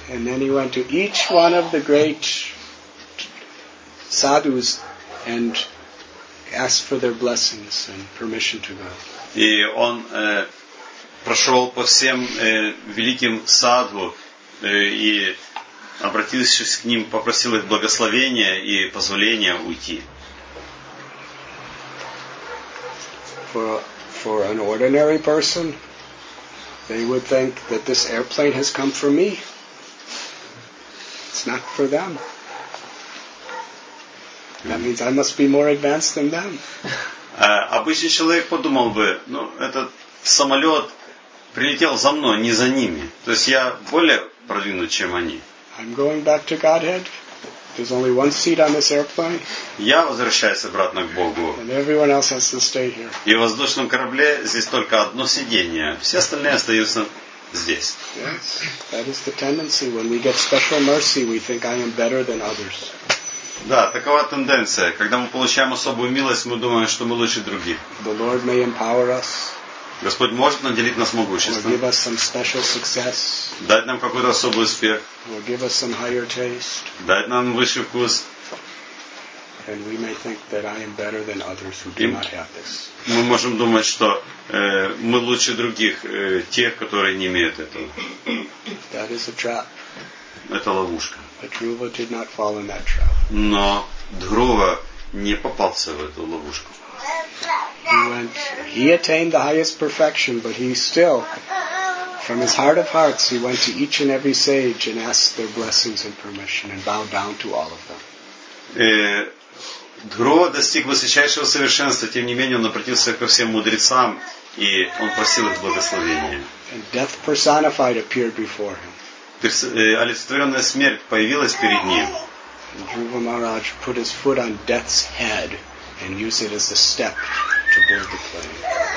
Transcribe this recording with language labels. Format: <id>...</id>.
<en>And then he went to each one of the great sadhus and asked for their blessings and permission to go.</en> <ru>И он прошел по всем великим садху и обратившись к ним, попросил их благословения и позволения уйти.</ru> <en>For an ordinary person, they would think that this airplane has come for me. It's not for them. That means I must be more advanced than them.</en> <ru>Обычный человек подумал бы, ну, этот самолет прилетел за мной, не за ними. То есть я более продвинут, чем они.</ru> <en>I'm going back to Godhead. There's only one seat on this airplane.</en> <ru>Я возвращаюсь обратно к Богу.</ru> <en>And everyone else has to stay here.</en> <ru>И в воздушном корабле здесь только одно сиденье. Все остальные остаются здесь.</ru> <en>Yes, that is the tendency. When we get special mercy, we think I am better than others.</en> <ru>Да, такова тенденция. Когда мы получаем особую милость, мы думаем, что мы лучше других.</ru> <en>The Lord may empower us.</en> <ru>Господь может наделить нас могуществом.</ru> <en>Or give us some special success.</en> <ru>Дать нам какой-то особый успех.</ru> <en>Or give us some higher taste.</en> <ru>Дать нам высший вкус.</ru> <en>And we may think that I am better than others who do not have this.</en> <ru>Мы можем думать, что мы лучше других, тех, которые не имеют этого.</ru> <en>That is a trap.</en> <ru>Это ловушка.</ru> <en>But Dhruva did not fall in that trap.</en> <ru>Но Dhruva не попался в эту ловушку.</ru> <en>He went. He attained the highest perfection, but he still, from his heart of hearts, he went to each and every sage and asked their blessings and permission and bowed down to all of them.</en> <ru>Dhruva достиг высочайшего совершенства, тем не менее он обратился ко всем мудрецам и он просил их благословения.</ru> <en>And death personified appeared before him.</en> <ru>Олицетворенная смерть появилась перед ним.</ru> <en>Dhruva Maharaj put his foot on death's head and use it as a step to board the plane.</en>